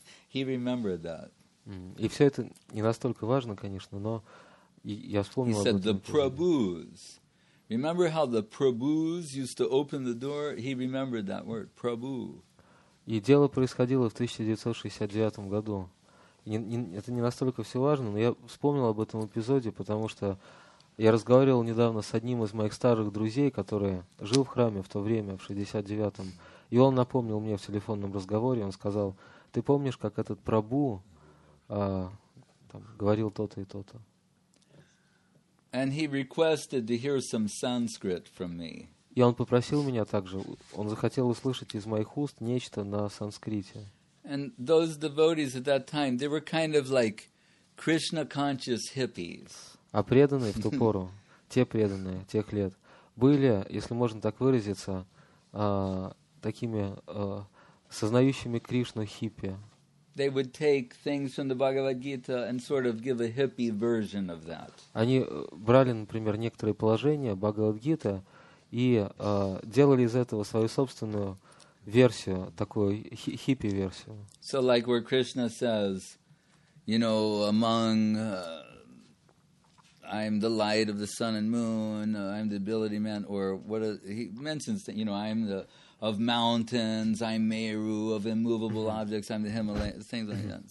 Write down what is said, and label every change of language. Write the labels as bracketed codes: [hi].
[en] He remembered that. [ru] И все это не настолько важно, конечно, но я вспомнил об этом. [en] He said, the Prabhus. Remember how the Prabhus used to open the door? He remembered that word, Prabhu. [ru] И дело происходило в 1969 году. Это не настолько все важно, но я вспомнил об этом эпизоде, потому что я разговаривал недавно с одним из моих старых друзей, который жил в храме в то время, в 69-м, и он напомнил мне в телефонном разговоре, он сказал, ты помнишь, как этот Прабу говорил то-то и то-то? [en] And he requested to hear some Sanskrit from me. [ru] И он попросил меня также, он захотел услышать из моих уст нечто на санскрите. [en] And those devotees at that time, they were kind of like Krishna-conscious hippies. [ru] А преданные в ту пору, те преданные тех лет, были, если можно так выразиться, такими сознающими Кришну хиппи. [en] They would take things from the Bhagavad-gita and sort of give a hippie version of that. [ru] Они брали, например, некоторые положения Бхагавад-гиты и делали из этого свою собственную версию, такую хиппи-версию. [en] So like where Krishna says, you know, among I'm the light of the sun and moon, I'm the ability man, or what he mentions, you know, I'm the of mountains, I'm Meru, of immovable objects, I'm the Himalayas, things like that.